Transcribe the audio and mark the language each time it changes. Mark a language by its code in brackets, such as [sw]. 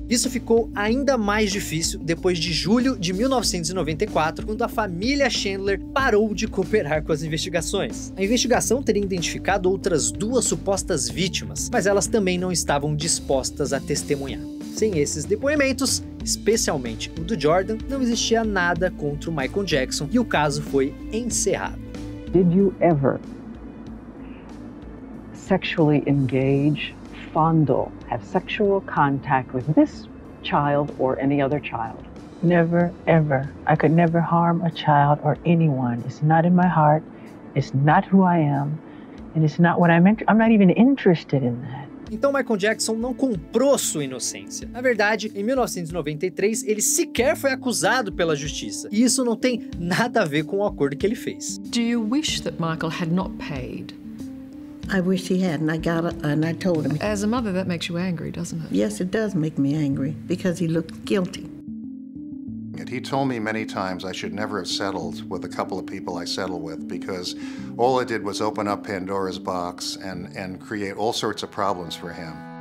[pt] Isso ficou ainda mais difícil depois de julho de 1994, quando a família Chandler parou de cooperar com as investigações. A investigação teria identificado outras duas supostas vítimas, mas elas também não estavam dispostas a testemunhar. Sem esses depoimentos, especialmente o do Jordan, não existia nada contra o Michael Jackson e o caso foi encerrado. [en] Did you ever sexually engage, fondle, have sexual contact with this child or any other child? Never, ever. I could never harm a child or anyone. It's not in my heart. It's not who I am. And it's not what I'm not even interested in that. [pt] Então Michael Jackson não comprou sua inocência. Na verdade, em 1993, ele sequer foi acusado pela justiça. E isso não tem nada a ver com o acordo que ele fez. [en] Do you wish that Michael had not paid? I wish he had, and I got it, and I told him. As a mother, that makes you angry, doesn't it? Yes, it does make me angry, because he looked guilty. He told me many times I should never have settled with a couple of people I settled with because all I did was open up Pandora's box and create all sorts of problems for him.